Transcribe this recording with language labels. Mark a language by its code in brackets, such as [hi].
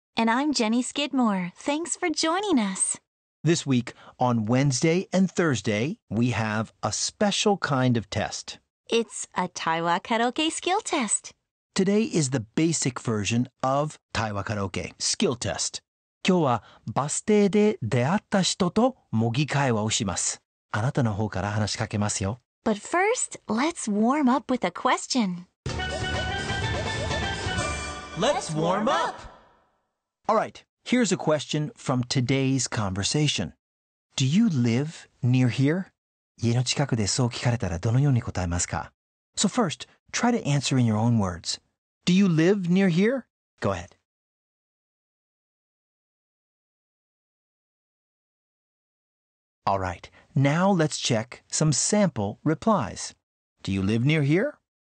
[en] And I'm Jenny Skidmore. Thanks for joining us. This week, on Wednesday and Thursday, we have a special kind of test. It's a Taiwa Karaoke skill test. Today is the basic version of Taiwa Karaoke skill test. [ja] 今日はバス停で出会った人と模擬会話をします。あなたの方から話しかけますよ。 [en] But first, let's warm up with a question. Let's warm up! All right, here's a question from today's conversation. Do you live near here? [ja] 家の近くでそう聞かれたらどのように答えますか? [en] So first, try to answer in your own words. Do you live near here? Go ahead. All right, now let's check some sample replies. Do you live near here?